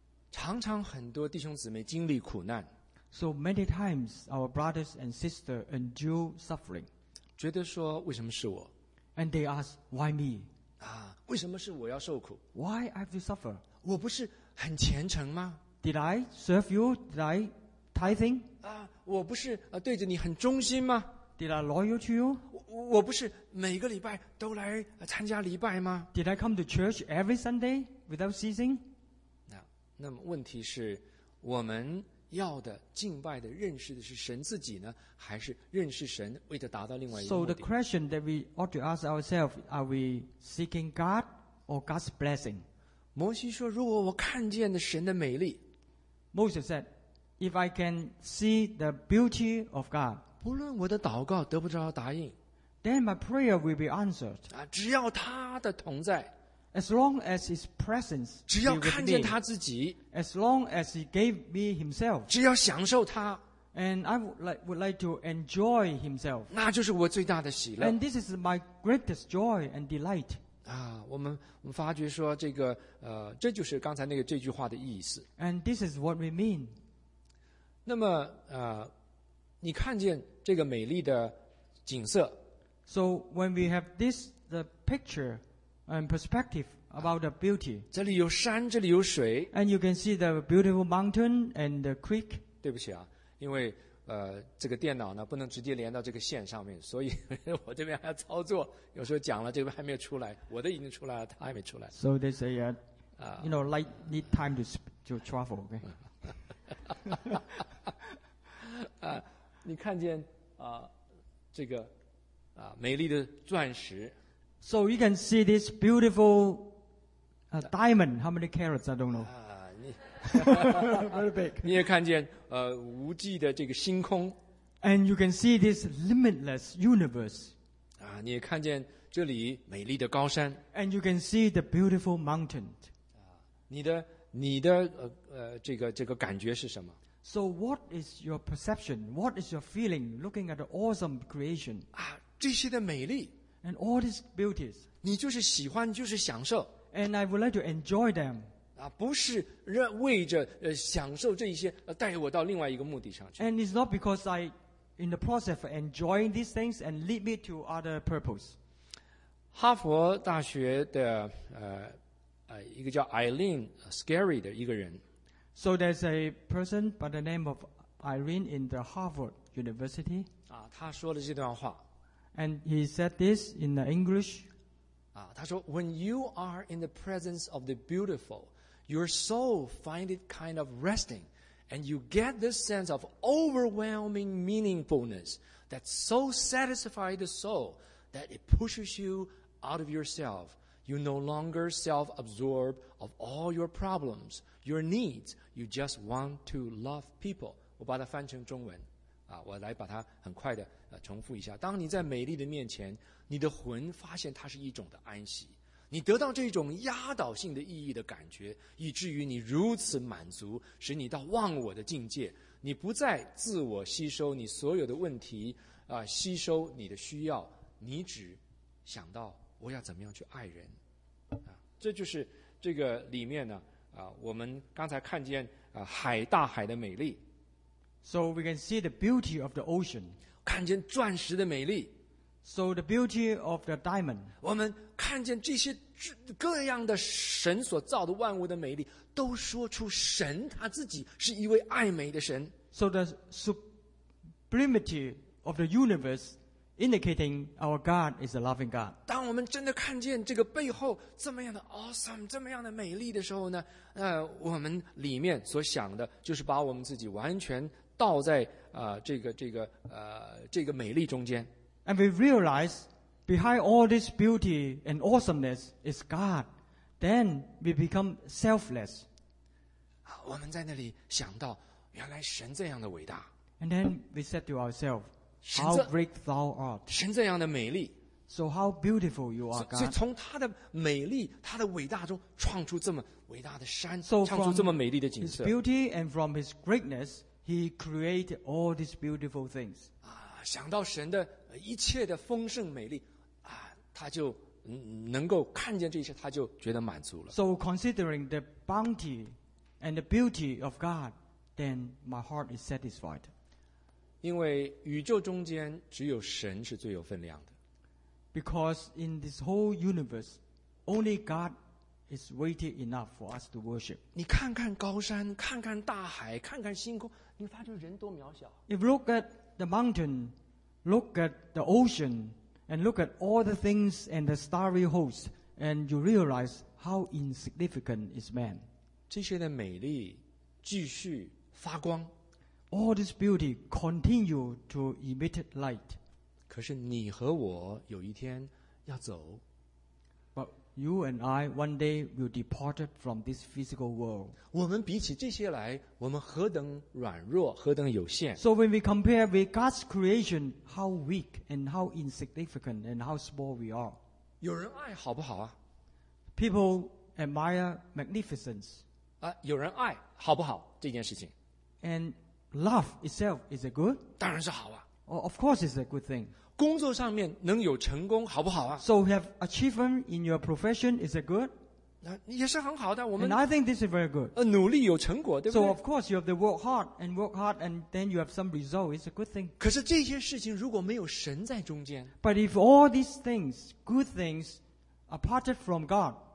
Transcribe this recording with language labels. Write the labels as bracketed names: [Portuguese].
[Chinese] 常常很多弟兄姊妹经历苦难。 [English] So many times our brothers and sisters endure suffering. [Chinese] 觉得说为什么是我？ [English] And they ask why me? [Chinese] 为什么是我要受苦？ [English] Why I have to suffer? [Chinese] 我不是很虔诚吗？ [English] Did I serve you? Did I tithing? [Chinese] 我不是对着你很忠心吗？ [English] Did I loyal to you? [Chinese] 我不是每个礼拜都来参加礼拜吗？ [English] Did I come to church every Sunday without ceasing? [Chinese] 那么问题是，我们要的敬拜的认识的是神自己呢，还是认识神为了达到另外一个目的？ [English] So the question that we ought to ask ourselves, are we seeking God or God's blessing? [Chinese] 摩西说，如果我看见的神的美丽， [English] Moses said,If I can see the beauty of God, [Chinese] 不论我的祷告得不着答应， [English] then my prayer will be answered. [Chinese] 只要他的同在， [English] as long as his presence, [Chinese] 只要看见他自己， [English] as long as he gave me himself, [Chinese] 只要享受他， [English] and I would like to enjoy himself, [Chinese] 那就是我最大的喜乐。 [English] And this is my greatest joy and delight. [Chinese] 我们发觉说这个这就是刚才那个这句话的意思。 [English] And this is what we mean. [Chinese] 那么你看见这个美丽的景色。 [English] So when we have this the picture and perspective about the beauty. [Chinese] 这里有山，这里有水。 [English] And you can see the beautiful mountain and the creek. [Chinese] 对不起啊，因为这个电脑呢不能直接连到这个线上面，所以我这边还要操作，有时候讲了这边还没有出来，我的已经出来了，他还没出来。 [English] So they say you know, light need time to travel, okay? [Chinese] 你看见这个美丽的钻石。 [English] So you can see this beautiful diamond. How many carats? I don't know. [Chinese] 你 [English] very big. [Chinese] 你也看见无际的这个星空。 [English] And you can see this limitless universe. [Chinese] 啊，你也看见这里美丽的高山。 [English] And you can see the beautiful mountain. 啊， [Chinese] 你的这个感觉是什么？ [English] So what is your perception? What is your feeling looking at the awesome creation? [Chinese] 啊，这些的美丽。 [English] And all these beauties. [Chinese] 你就是喜欢，就是享受。 [English] And I would like to enjoy them. [Chinese] 啊，不是为着享受这一些，带我到另外一个目的上去。 [English] And it's not because I, in the process of enjoying these things, and lead me to other purpose. [Chinese] 哈佛大学的一个叫 Eileen Scarry 的一个人。 [English] So there's a person by the name of Irene in the Harvard University. [Chinese] 啊，他说了这段话。 [English] And he said this in the English. [Chinese] 啊，他说 [English] ，When you are in the presence of the beautiful, your soul finds it kind of resting, and you get this sense of overwhelming meaningfulness that so satisfies the soul that it pushes you out of yourself. You no longer self-absorbed of all your problems, your needs. You just want to love people. [Chinese] 我把它翻成中文，啊，我来把它很快的重复一下。当你在美丽的面前，你的魂发现它是一种的安息，你得到这种压倒性的意义的感觉，以至于你如此满足，使你到忘我的境界。你不再自我吸收你所有的问题，啊，吸收你的需要，你只想到。我要怎么样去爱人，啊，这就是这个里面呢，啊，我们刚才看见，啊，海大海的美丽。 [English] So we can see the beauty of the ocean. [Chinese] 看见钻石的美丽。 [English] So the beauty of the diamond. [Chinese] 我们看见这些各样的神所造的万物的美丽，都说出神他自己是一位爱美的神。 [English] So the sublimity of the universeIndicating our God is a loving God. [Chinese] 当我们真的看见这个背后这么样的 awesome, 这么样的美丽的时候呢，我们里面所想的就是把我们自己完全倒在这个美丽中间。 [English] And we realize behind all this beauty and awesomeness is God. Then we become selfless. [Chinese] 我们在那里想到原来神这样的伟大。 [English] And then we said to ourselves,How great thou art! [Chinese] 神这样的美丽。 [English] So how beautiful you are, God! [Chinese] 所以从他的美丽、他的伟大中创出这么伟大的山， [English] so、 [Chinese] 创出这么美丽的景色。 [English] His beauty and from his greatness, he created all these beautiful things. [Chinese] 啊，想到神的一切的丰盛美丽，啊，他就能够看见这些，他就觉得满足了。 [English] So considering the bounty and the beauty of God, then my heart is satisfied. [Chinese] 因为宇宙中间只有神是最有分量的。 [English] Because in this whole universe, only God is weighty enough for us to worship. [Chinese] 你看看高山，看看大海，看看星空，你发觉人多渺小。 [English] If look at the mountain, look at the ocean, and look at all the things and the starry host, and you realize how insignificant is man. [Chinese] 这些的美丽继续发光。 [English] All this beauty continue to emit light. [Chinese] 可是你和我有一天要走。 [English] But you and I one day will depart from this physical world. [Chinese] 我们比起这些来，我们何等软弱，何等有限。 [English] So when we compare with God's creation, how weak and how insignificant and how small we are. [Chinese] 有人爱好不好啊？ [English] People admire magnificence. [Chinese] 啊，有人爱好不好这件事情？ [English] AndLove itself is a good. [Chinese] 当然是好啊。 [English] Oh, of course, it's a good thing. [Chinese] 工作上面能有成功，好不好啊 [English] ？So have achievement in your profession is a good. [Chinese] 那也是很好的。我们 [English] And I think this is very good. [Chinese] 努力有成果，对不对 [English] ？So of course you have to work hard, and then you have some result. It's a good thing. [Chinese] 可是这些事情如果没有神在中间 [English] ，But if all these things, good things, apart from God,